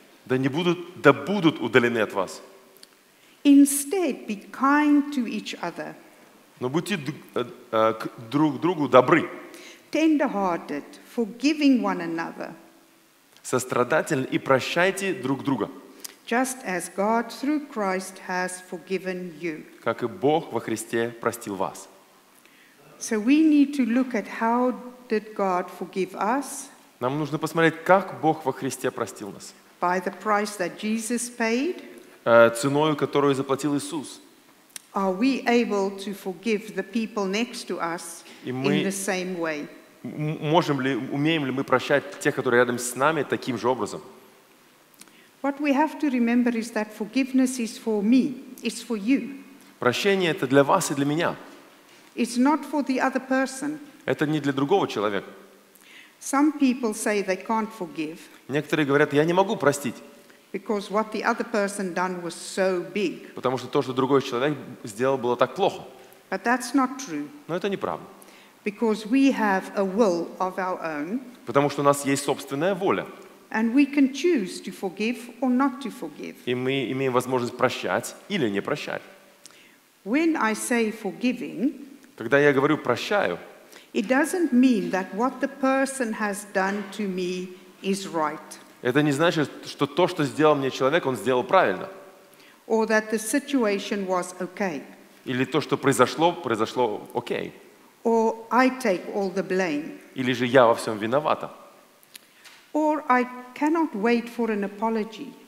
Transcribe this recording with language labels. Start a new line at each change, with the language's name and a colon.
Russian: Да будут удалены от вас.
English: Instead, be kind to each other.
Russian: Но будьте друг другу добры.
English: Tender-hearted, forgiving one another.
Russian: Сострадательны и прощайте друг друга.
English: Just as God through Christ has forgiven you.
Russian: Как и Бог во Христе простил вас.
English: So we need to look at how did God forgive us?
Russian: Нам нужно посмотреть, как Бог во Христе простил нас.
English: By the price that Jesus paid.
Russian: Ценою, которую заплатил Иисус.
English: Are we able to forgive the people next to us in the same way?
Russian: Умеем ли мы прощать тех, которые рядом с нами, таким же образом?
English: What we have to remember is that forgiveness is for me, it's for you.
Russian: Прощение это для вас и для меня.
English: It's not for the other person.
Russian: Это не для другого человека.
English: Some people say they can't forgive.
Russian: Некоторые говорят, я не могу простить.
English: Because what the other person done was so big.
Russian: Потому что то, что другой человек сделал, было так плохо.
English: But that's not true.
Russian: Но это неправда.
English: Because we have a will of our own.
Russian: Потому что у нас есть собственная воля.
English: And we can choose to forgive or not to forgive.
Russian: И мы имеем возможность прощать или не прощать.
English: When I say forgiving,
Russian: когда я говорю прощаю,
English: it doesn't mean that what the person has done to me is right.
Russian: Это не значит, что то, что сделал мне человек, он сделал правильно.
English: Or that the situation was okay.
Russian: Или то, что произошло окей.
English: Or I take all the blame.
Russian: Или же я во всем виновата.
English: Or I cannot wait for an apology.